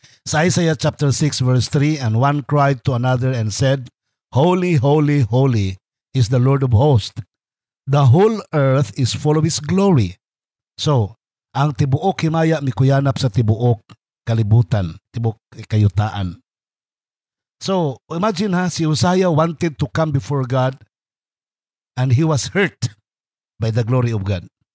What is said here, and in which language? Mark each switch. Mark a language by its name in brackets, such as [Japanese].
[English] Sa Isaiah chapter 6 verse 3, and one cried to another and said, "Holy, holy, holy is the Lord of hosts. The whole earth is full of His glory." [Cebuano] So, ang tibuok himaya mikuyanap sa tibuok kalibutan, tibuok kayutaan. [English] So, imagine ha, si Uzziah wanted to come before God and he was hurt by the glory of God.